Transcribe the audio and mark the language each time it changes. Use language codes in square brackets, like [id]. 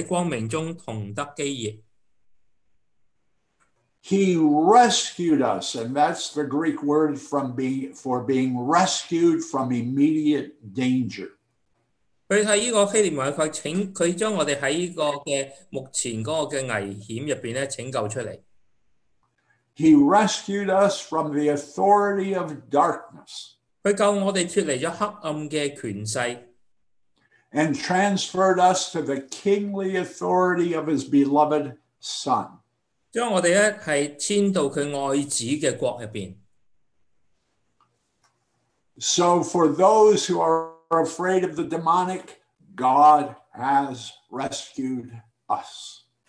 [zh] 他又感谢父叫我们能够与众圣徒在光明中同得基业. [en] He rescued us, and that's the Greek word for being rescued from immediate danger. [zh] 他在这个希腊文,他将我们在目前的危险里拯救出来. [en] He rescued us from the authority of darkness. [zh] 他救我们脱离了黑暗的权势. [en] And transferred us to the kingly authority of his beloved Son. [zh] 将我们迁到他爱子的国里面. [en] So for those who are afraid of the demonic, God has rescued us.